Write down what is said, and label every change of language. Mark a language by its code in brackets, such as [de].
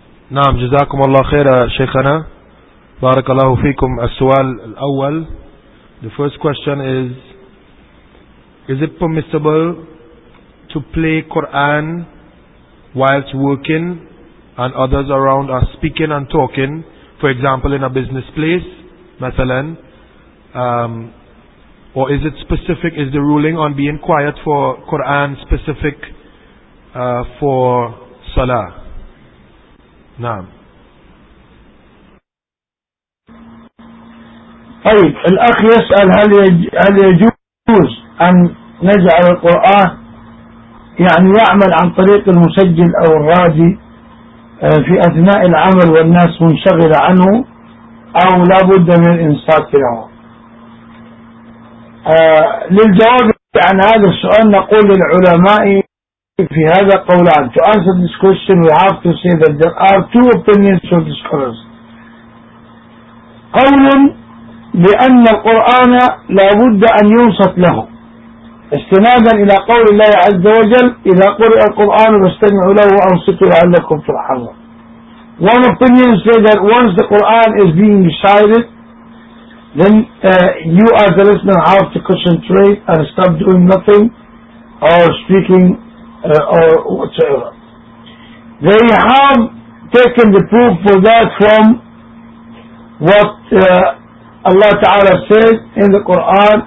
[ar] نعم جزاكم الله خير شيخنا بارك الله فيكم. السؤال الأول, [en] the first question is it permissible to play Quran whilst working and others around are speaking and talking, for example in a business place [ar] مثلا, [en] or is it specific, is the ruling on being quiet for Quran specific for Salah? [ar] نعم. طيب الأخ يسأل هل يجوز أن نجعل القرآن يعني يعمل عن طريق المسجل أو الراجي في أثناء العمل والناس منشغل عنه, أو لا بد من إنصات له؟ للجواب عن هذا السؤال نقول للعلماء في هذا قولان. [en] To answer this question we have to say that there are two opinions of the scholars. [ar] قول بأن القرآن لابد أن ينصت له استنادا إلى قول الله عز وجل إذا قرئ القرآن فاستمعوا له وأنصتوا لعلكم ترحمون. [en] One opinion says that once the Quran is being recited, then you as a listener have to concentrate and stop doing nothing or speaking or whatsoever. They have taken the proof for that from what Allah Ta'ala said in the Quran.